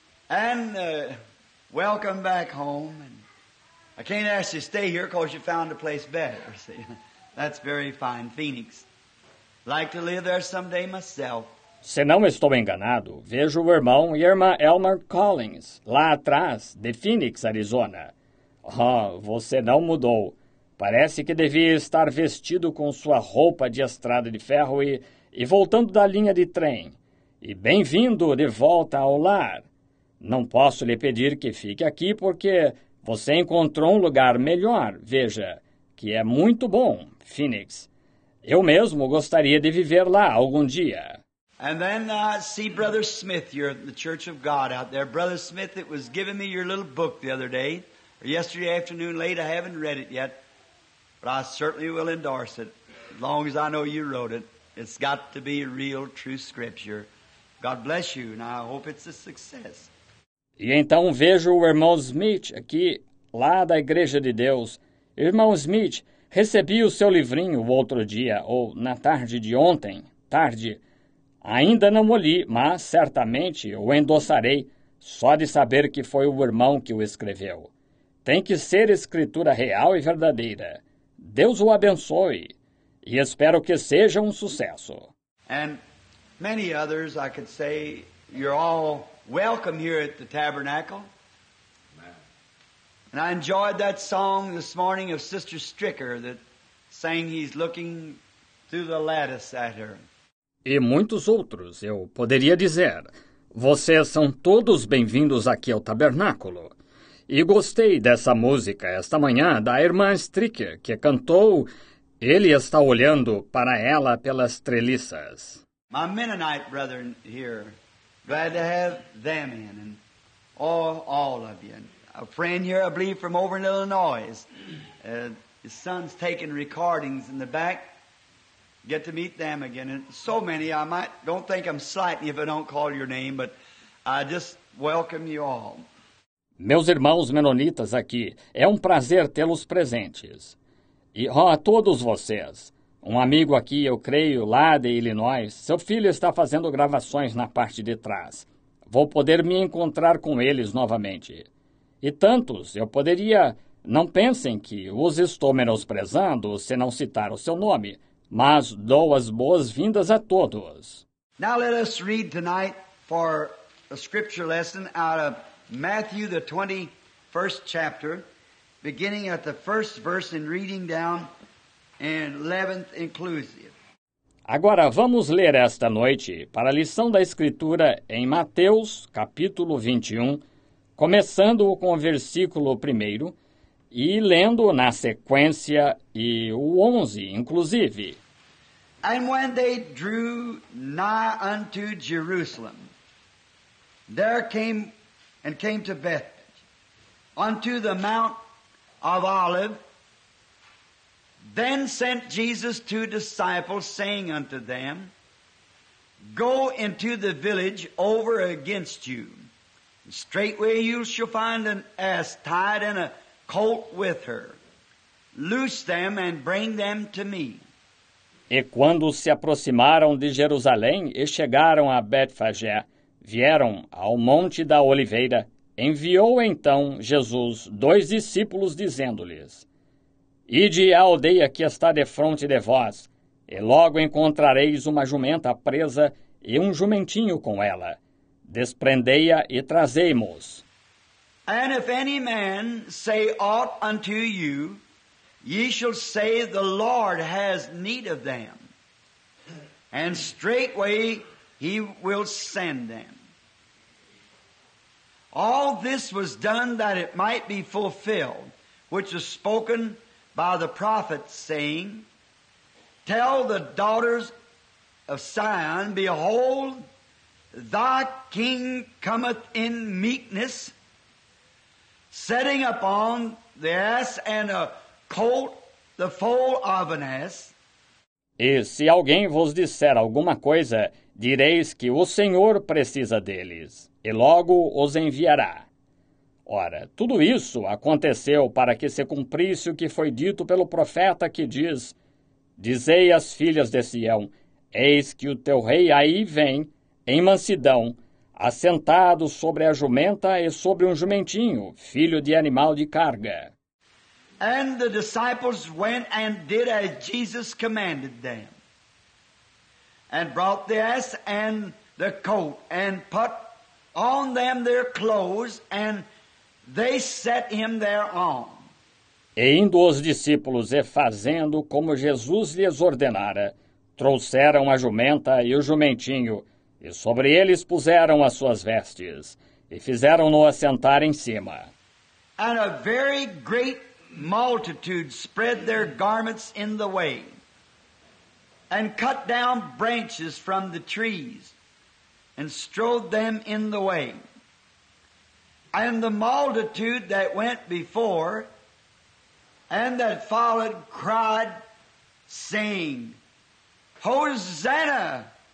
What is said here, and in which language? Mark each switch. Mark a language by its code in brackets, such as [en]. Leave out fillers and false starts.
[en] And welcome back home. And I can't ask you to stay here because you found a place better. See, that's very fine, Phoenix. Like to live there someday myself. [pt] Se não estou enganado, vejo o irmão e irmã Elmer Collins lá atrás, de Phoenix, Arizona. Oh, você não mudou. Parece que devia estar vestido com sua roupa de estrada de ferro e voltando da linha de trem. E bem-vindo de volta ao lar. Não posso lhe pedir que fique aqui porque você encontrou um lugar melhor, veja, que é muito bom, Phoenix. Eu mesmo gostaria de viver lá algum dia. [en] And then I see Brother Smith here at the Church of God out there. Brother Smith, it was giving me your little book the other day, or yesterday afternoon late. I haven't read it yet, but I certainly will endorse it, as long as I know you wrote it. It's got to be real, true scripture. God bless you, and I hope it's a success. [pt] E então vejo o irmão Smith aqui, lá da Igreja de Deus. Irmão Smith, Recebi o seu livrinho o outro dia, ou na tarde de ontem, tarde. Ainda não o li, mas certamente o endossarei, só de saber que foi o irmão que o escreveu. Tem que ser escritura real e verdadeira. Deus o abençoe, e espero que seja um sucesso. [en] And many others, I could say, you're all welcome here at the Tabernacle. And I enjoyed that song this morning of Sister Stricker that sang he's looking through the lattice at her. [pt] E muitos outros, eu poderia dizer. Vocês são todos bem-vindos aqui ao Tabernáculo. E gostei dessa música esta manhã da irmã Stricker, que cantou Ele está olhando para ela pelas treliças. [en] My Mennonite brethren here, glad to have them in, and all of you. A friend here, I believe, from over in Illinois. His son's taking recordings in the back. Get to meet them again. And so many, I might, don't think I'm slighting you if I don't call your name, but I just welcome you all. [pt] Meus irmãos menonitas aqui, é um prazer tê-los presentes. E a todos vocês, um amigo aqui, eu creio, lá de Illinois, seu filho está fazendo gravações na parte de trás. Vou poder me encontrar com eles novamente. E tantos, eu poderia, não pensem que os estou menosprezando se não citar o seu nome, mas dou as boas-vindas a todos. [en] Now let us read tonight for a scripture lesson out of Matthew, the 21st chapter, beginning at the first verse and reading down in 11th inclusive. [pt] Agora vamos ler esta noite para a lição da escritura em Mateus, capítulo 21, começando com o versículo 1º e lendo na sequência e o 11, inclusive. [en] And when they drew nigh unto Jerusalem, there came and came to Bethphage, unto the Mount of Olives, then sent Jesus two disciples, saying unto them, Go into the village over against you. Straightway you shall find an ass tied and a colt with her. Loose them and bring them to me. [pt] E quando se aproximaram de Jerusalém e chegaram a Betfagé, vieram ao Monte da Oliveira, enviou então Jesus dois discípulos, dizendo-lhes, Ide à aldeia que está defronte de vós, e logo encontrareis uma jumenta presa e um jumentinho com ela. Desprendei-a e trazei-mos. [en] And if any man say aught unto you, ye shall say the Lord has need of them. And straightway he will send them. All this was done that it might be fulfilled, which was spoken by the prophet, saying, Tell the daughters of Zion, behold, Thy king cometh in meekness, setting upon the ass and a colt the foal of an ass. [pt] E se alguém vos disser alguma coisa, direis que o Senhor precisa deles, e logo os enviará. Ora, tudo isso aconteceu para que se cumprisse o que foi dito pelo profeta que diz, Dizei às filhas de Sião, eis que o teu rei aí vem, em mansidão, assentado sobre a jumenta e sobre um jumentinho, filho de animal de carga. [en] And the disciples went and did as Jesus commanded them, and brought the ass and the coat, and put on them their clothes, and they set him thereon. [pt] E indo os discípulos e fazendo como Jesus lhes ordenara, trouxeram a jumenta e o jumentinho, e sobre eles puseram as suas vestes, e fizeram-no assentar em cima. [en] And a very great multitude spread their garments in the way, and cut down branches from the trees, and strode them in the way. And the multitude that went before, and that followed, cried, saying, Hosanna!